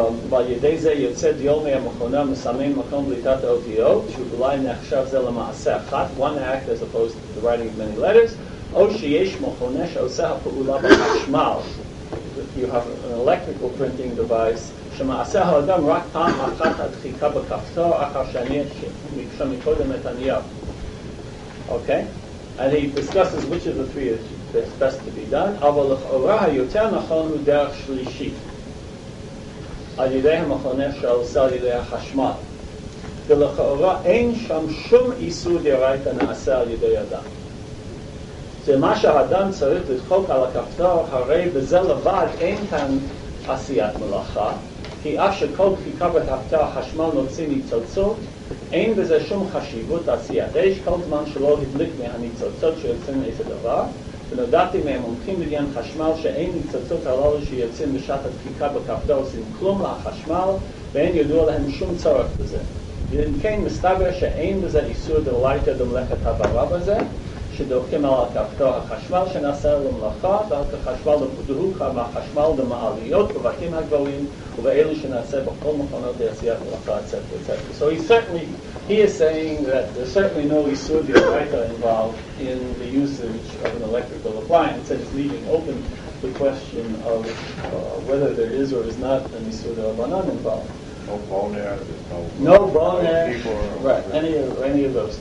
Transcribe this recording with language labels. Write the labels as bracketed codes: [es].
[he] By ידי זה יוצא דיול מהמכונה מסמן מקום בליטת האותיות, שאולי נחשב זה למעשה אחת, [en] one act as opposed to the writing of many letters, [he] או שיש מכונה שעושה הפעולה בחשמל. [en] You have an electrical printing device, [he] שמעשה האדם רק פעם אחת הדחיקה בכפתור, אחר שאני אקשה מקודם את הנייר. [en] Okay? And he discusses which of the three is that's best to be done. [he] אבל לכאורה היותר נכון הוא דרך שלישית. על ידי המכונה שעושה על ידי החשמל. ולכאורה אין שם שום איסור דאורייתא נעשה על ידי אדם. זה מה שהאדם צריך לדחוק על הכפתור, הרי בזה לבד אין כאן עשיית מלאכה, כי אף שכל דפיקה בכפתור החשמל נוציא ניצוצות, אין בזה שום חשיבות עשיית אש, כל זמן שלא הדליק מהניצוצות שיוצאים איזה דבר, ונודעתי מהמומחים בעניין חשמל שאין ניצוצות הללו שיוצאים בשעת הדפיקה בכפתור עושים כלום לחשמל, ואין ידוע להם שום צורך בזה. אם כן, מסתבר שאין בזה איסור דאורייתא דמלאכת הברא בזה, שדוחקים על הכפתור החשמל שנעשה למלאכה, ועל כחשמל לפודוק מהחשמל במעליות, בבתים הגבוהים, ובאלו שנעשה בכל מכונות לעשיית מלאכה, צפי וצפי. [en] So he certainly, he is saying that there's certainly no איסור דאורייתא involved in the usage of an electrical appliance, it's leaving open the question of whether there is or is not an איסור דאורייתא involved. No boner, no boner, right, any of those.